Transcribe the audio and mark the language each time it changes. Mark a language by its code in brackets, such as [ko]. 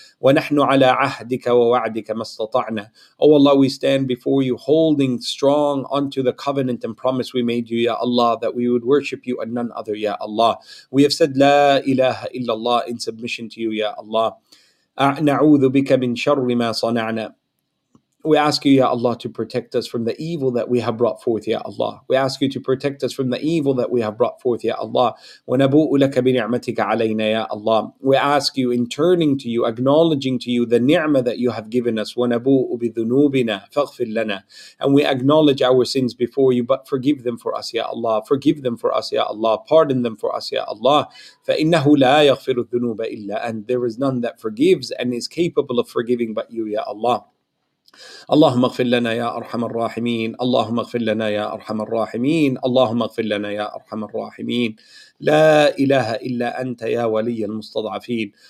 [ar] Wa nahnu ala ahdika wa wa'dika mastata'na. [en] O Allah, we stand before you holding strong onto the covenant and promise we made you, Ya Allah, that we would worship you and none other, Ya Allah. We have said, [ar] La ilaha illallah, [en] in submission to you, Ya Allah. [ar] A'na'udhu bika min sharri ma sana'na. [en] We ask you, Ya Allah, to protect us from the evil that we have brought forth, Ya Allah. We ask you to protect us from the evil that we have brought forth, Ya Allah. [ar] وَنَبُوءُ لَكَ بِنِعْمَتِكَ عَلَيْنَا, Ya Allah. [en] We ask you, in turning to you, acknowledging to you the ni'mah that you have given us. [ar] وَنَبُوءُ بِذُنُوبِنَا فَغْفِرْ لَنَا. [en] And we acknowledge our sins before you, but forgive them for us, Ya Allah. Forgive them for us, Ya Allah. Pardon them for us, Ya Allah. [ar] فَإِنَّهُ لَا يَغْفِرُ الذُّنُوبَ إِلَّا. [en] And there is none that forgives and is capable of forgiving but you, Ya Allah. [ar] اللهم اغفر لنا يا أرحم الراحمين اللهم اغفر لنا يا أرحم الراحمين اللهم اغفر لنا يا أرحم الراحمين لا إله إلا أنت يا ولي المستضعفين.